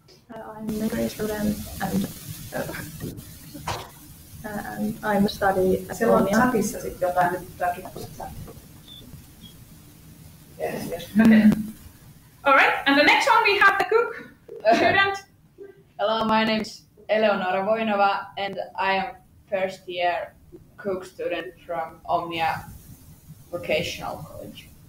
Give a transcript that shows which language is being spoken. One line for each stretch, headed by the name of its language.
English: I'm a graduate student and I'm studying at
Finnish: Siellä on chatissa sitten jotain, nyt pitää kiinnostaa.
English: All right, and the next one we have the cook student. Hello, my name is Eleonora Voinova and I am first year cook student from Omnia Vocational College.